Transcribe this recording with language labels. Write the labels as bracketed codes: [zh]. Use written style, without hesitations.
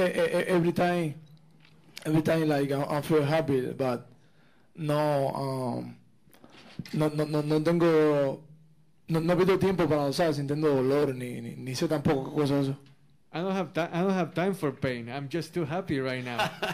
[en] every time, like I feel happy, but [es] no, no tengo. No pido tiempo para usar sintiendo dolor ni sé tampoco qué cosa es eso. [en] I don't have time for pain. I'm just too happy right now.